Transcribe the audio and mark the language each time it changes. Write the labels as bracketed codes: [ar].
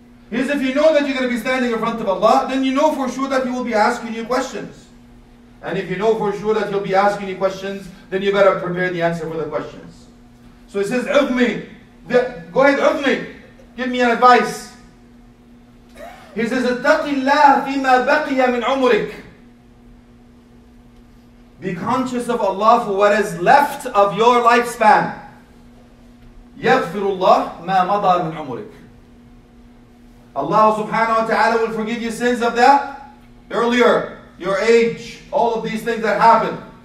[en] He says, if you know that you're going to be standing in front of Allah, then you know for sure that He will be asking you questions. And if you know for sure that He'll be asking you questions, then you better prepare the answer for the questions. So he says, Udmi, go ahead, Udmi, give me an advice. He says, [ar] اتَّقِ اللَّهَ فِيمَا بَقِيَ مِنْ عُمُرِكَ. [en] Be conscious of Allah for what is left of your lifespan. [ar] يَغْفِرُ اللَّهُ مَا مَضَى مِنْ عُمُرِكَ. [en] Allah subhanahu wa ta'ala will forgive you sins of that earlier, your age, all of these things that happen.